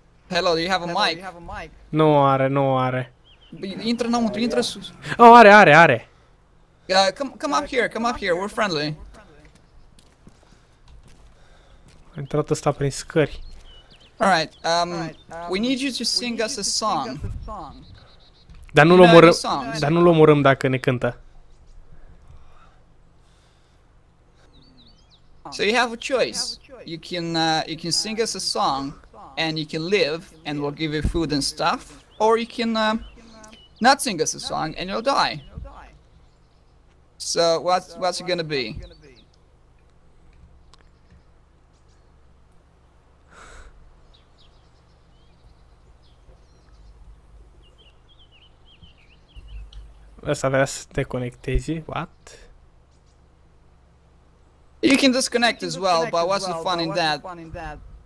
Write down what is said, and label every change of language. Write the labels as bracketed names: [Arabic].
[English] Hello, do you have a mic? [Romanian] Nu are, nu are. Intră înăuntru, intră sus. Oh, are, are, are. [English] Come up here, come up here. We're friendly. [Romanian] A intrat ăsta prin scări. [English] Alright, we need you to sing us a song. [Romanian] Dar nu-l omorăm, dar nu-l omorăm dacă ne cântă. [English] So you have a choice. You can sing us a song and you can live and we'll give you food and stuff, or you can not sing us a song and you'll die. So what's it going to be? [Romanian] Asta vrea să te conectezi, what? [English] You can disconnect as well, but what's the fun in that?